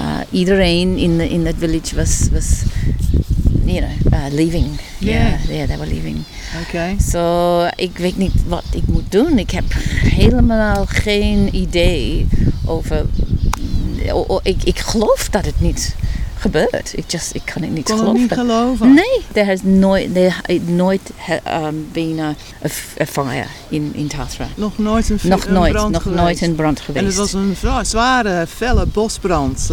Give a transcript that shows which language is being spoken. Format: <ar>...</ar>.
<en>Iedereen in that village was leaving. Yeah, they were leaving. Okay.</en> <nl>So, ik weet niet wat ik moet doen. Ik heb helemaal geen idee over. Ik geloof dat het niet gebeurt. Ik kan het niet geloven. Kon het niet geloven?</nl> <en>Nee, there has nooit been a fire in Tathra.</en> <nl>Nog nooit een brand geweest. En het was een zware, felle bosbrand.</nl>